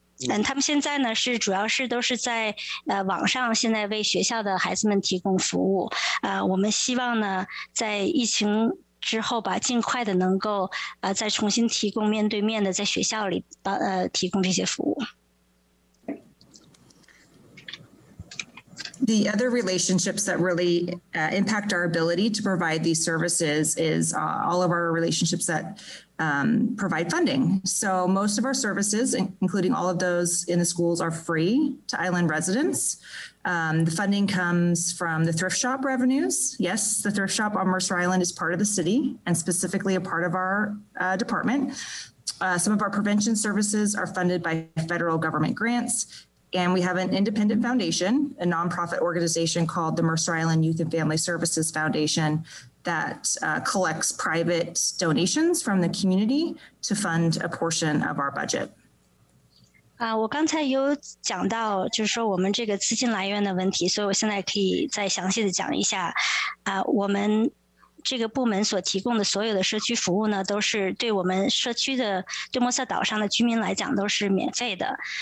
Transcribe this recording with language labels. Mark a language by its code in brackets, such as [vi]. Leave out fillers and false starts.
[zh] 嗯他们现在呢是主要是都是在网上现在为学校的孩子们提供服务我们希望呢在疫情之后吧尽快的能够再重新提供面对面的在学校里提供这些服务。 [en] The other relationships that really impact our ability to provide these services is all of our relationships that provide funding. So most of our services, including all of those in the schools, are free to island residents. The funding comes from the thrift shop revenues. Yes, the thrift shop on Mercer Island is part of the city and specifically a part of our department. Some of our prevention services are funded by federal government grants. And we have an independent foundation, a nonprofit organization called the Mercer Island Youth and Family Services Foundation that collects private donations from the community to fund a portion of our budget. [zh] 我刚才有讲到就是说我们这个资金来源的问题，所以我现在可以再详细的讲一下。我们这个部门所提供的所有的社区服务呢，都是对我们社区的对莫瑟岛上的居民来讲都是免费的。